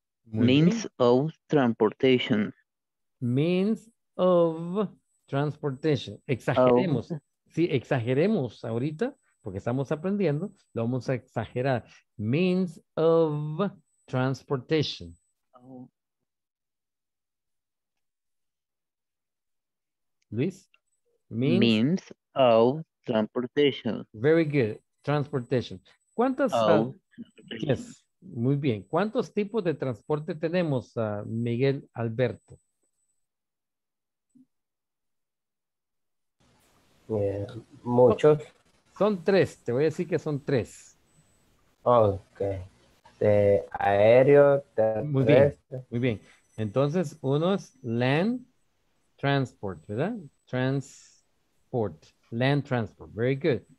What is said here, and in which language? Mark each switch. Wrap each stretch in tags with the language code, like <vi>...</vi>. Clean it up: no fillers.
<en>Means of transportation. Means of transportation.</en> <es>Exageremos. Sí, exageremos ahorita, porque estamos aprendiendo, lo vamos a exagerar.</es> <en>Means of transportation. Luis, means of transportation. Very good, transportation.</en> <es>¿Cuántas?</es> <en>Yes,</en> <es>muy bien. ¿Cuántos tipos de transporte tenemos, Miguel Alberto? Muchos. Son tres, te voy a decir que son tres. Ok. De aéreo, terrestre. Muy bien. Entonces, uno es</es> <en>land transport,</en> <es>¿verdad?</es> <en>Transport, land transport, very good.</en>